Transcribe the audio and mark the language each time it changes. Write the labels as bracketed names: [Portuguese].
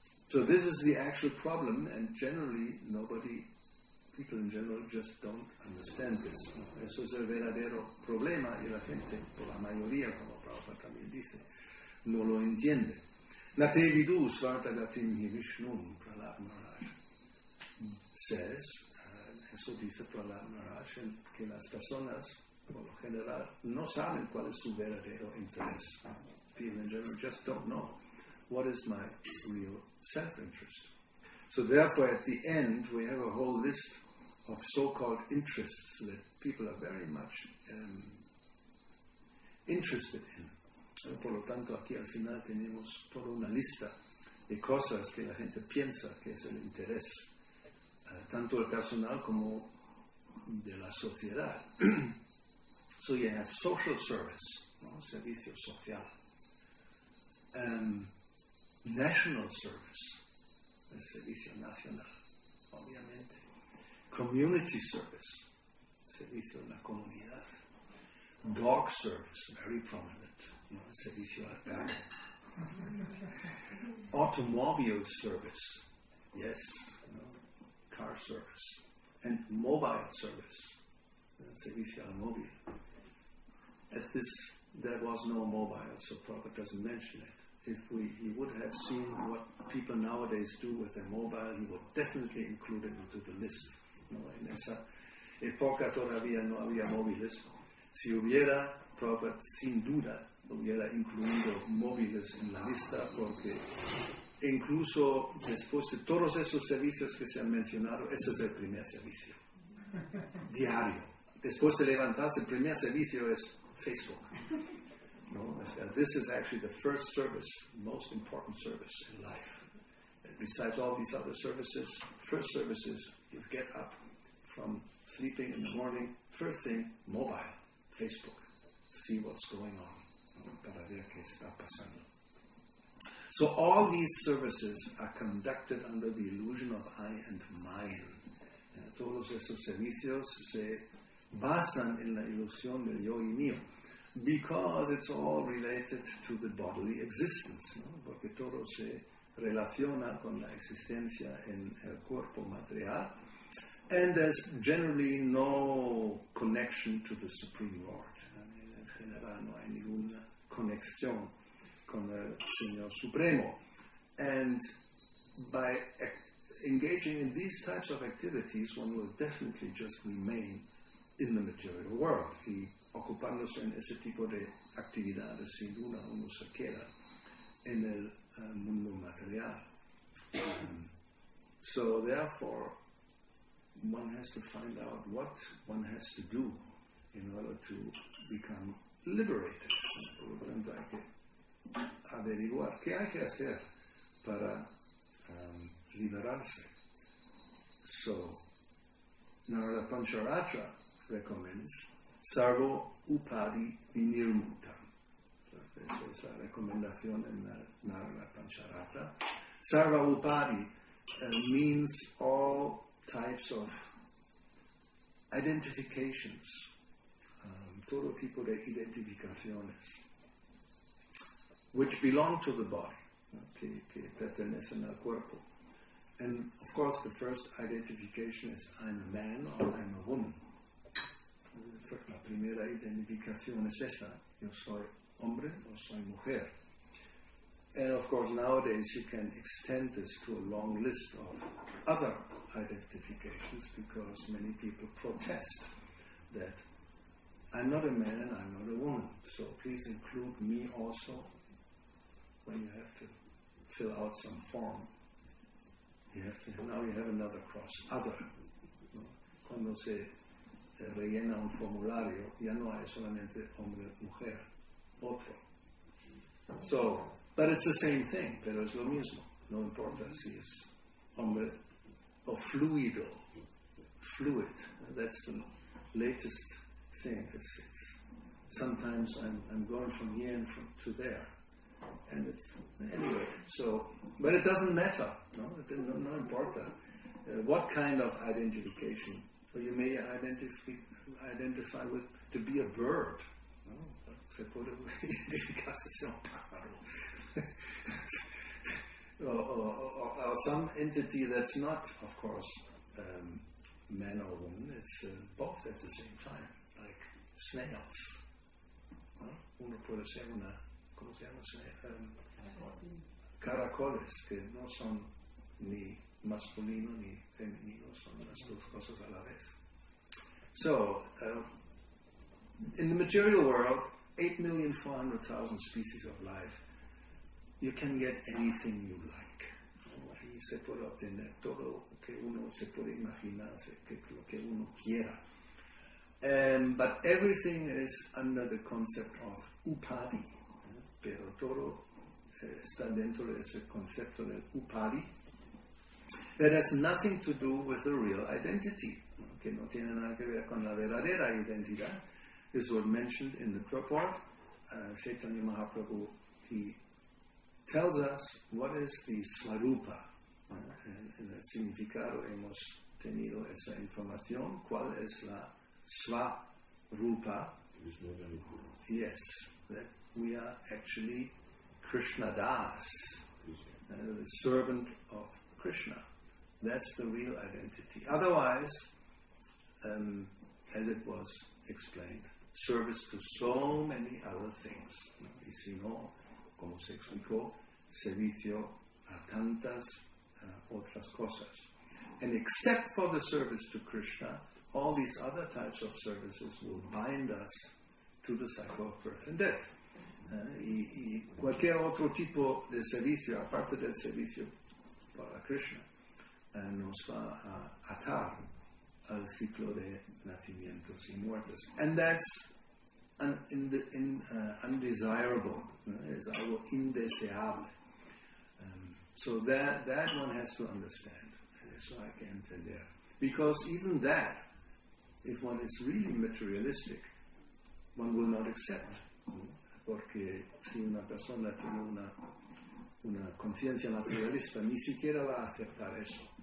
[English] So this is the actual problem, and generally people in general just don't understand this. [Spanish] Eso es el verdadero problema, y la gente, por la mayoría, como Prabhupada también dice, no lo entiende. [Sanskrit] Nate vidu svarta gatim hi vishnum, [English] Prahlad Maharaj says, [Spanish] eso dice Prahlad Maharaj, que las personas, por lo general, no saben cuál es su verdadero interés. [English] People in general just don't know. What is my real self-interest? So therefore, at the end, we have a whole list of so-called interests that people are very much interested in. [Spanish] Por lo tanto, aquí al final tenemos toda una lista de cosas que la gente piensa que es el interés, tanto el personal como de la sociedad. [English] So you have social service, [Spanish] ¿no? Servicio social. [English] National service, [Spanish] el servicio nacional, obviamente. [English] Community service, [Spanish] servicio a la comunidad. [English] Dog service, very prominent, [Spanish] ¿no? El servicio al perro. [English] Automobile service, yes, [Spanish] ¿no? [English] Car service. And mobile service, [Spanish] el servicio al móvil. [English] At this, there was no mobile, so Prabhupada doesn't mention it. He would have seen what people nowadays do with their mobile, he would definitely include it into the list. [Spanish] No, en esa época todavía no había móviles. Si hubiera, Prabhupada sin duda hubiera incluido móviles en la lista, porque incluso después de todos esos servicios que se han mencionado, ese es el primer servicio. Diario. Después de levantarse, el primer servicio es Facebook. [English] No, this is actually the first service, most important service in life. And besides all these other services, first service is you get up from sleeping in the morning, first thing, mobile, Facebook, see what's going on. [Spanish] Para ver qué está pasando. [English] So all these services are conducted under the illusion of I and mine. [Spanish] Todos estos servicios se basan en la ilusión del yo y mío. [English] Because it's all related to the bodily existence, [Spanish] ¿no? Porque todo se relaciona con la existencia en el cuerpo material, [English] and there's generally no connection to the Supreme Lord. [Spanish] En general no hay ninguna conexión con el Señor Supremo. [English] And by engaging in these types of activities, one will definitely just remain in the material world. [Spanish] Ocupándose en ese tipo de actividades, sin duda uno se queda en el mundo material. [English] So therefore, one has to find out what one has to do in order to become liberated. [Spanish] Por lo tanto, hay que averiguar qué hay que hacer para liberarse. [English] So, Narada Pancharatra recommends [Sanskrit] Sarva Upadhi Vinirmutam. [Spanish] Esa es la recomendación en Narada Pancharata. [English] Sarva Upadhi means all types of identifications, [Spanish] todo tipo de identificaciones, [English] which belong to the body, [Spanish] que pertenecen al cuerpo. [English] And of course, the first identification is I'm a man or I'm a woman. [Spanish] La primera identificación es esa, yo soy hombre o soy mujer. [English] And of course nowadays you can extend this to a long list of other identifications because many people protest that I'm not a man and I'm not a woman, so please include me also when you have to fill out some form. Now you have another cross, other. [Spanish] Cuando se rellena un formulario, ya no hay solamente hombre, mujer, otro. [English] So, but it's the same thing, [Spanish] pero es lo mismo. No importa si es hombre o fluido, fluid. [English] That's the latest thing. It's sometimes I'm going from here and from to there. And it's, anyway, so, but it doesn't matter. [Spanish] No, no importa [English] what kind of identification. So you may identify with to be a bird. [Spanish] Se puede identificarse ser un pájaro. [English] Or some entity that's not, of course, man or woman, it's both at the same time, like snails. [Spanish] Uno puede ser una, ¿cómo se llama? Caracoles, que no son ni masculino ni femenino, son las dos cosas a la vez. [English] So, in the material world, 8,400,000 species of life, you can get anything you like. [Spanish] Ahí se puede obtener todo lo que uno se puede imaginar, lo que uno quiera. [English] But everything is under the concept of upadi. [Spanish] Pero todo está dentro de ese concepto del upadi. [English] That has nothing to do with the real identity. [Spanish] Que no tiene nada que ver con la verdadera identidad. [English] This was mentioned in the purport. Chaitanya Mahaprabhu, he tells us what is the Svarupa. [Spanish] En el significado hemos tenido esa información. ¿Cuál es la Svarupa? [English] Yes, that we are actually Krishna Das, the servant of Krishna. That's the real identity. Otherwise, as it was explained, service to so many other things. [Spanish] Y si no, como se explicó, servicio a tantas otras cosas. [English] And except for the service to Krishna, all these other types of services will bind us to the cycle of birth and death. [Spanish] Y cualquier otro tipo de servicio, aparte del servicio para Krishna, nos va a atar al ciclo de nacimientos y muertes. [English] And that's undesirable, [Spanish] es algo indeseable. [English] So that one has to understand. So I can entender. Because even that, if one is really materialistic, one will not accept. [Spanish] Porque si una persona tiene una conciencia materialista, ni siquiera va a aceptar eso.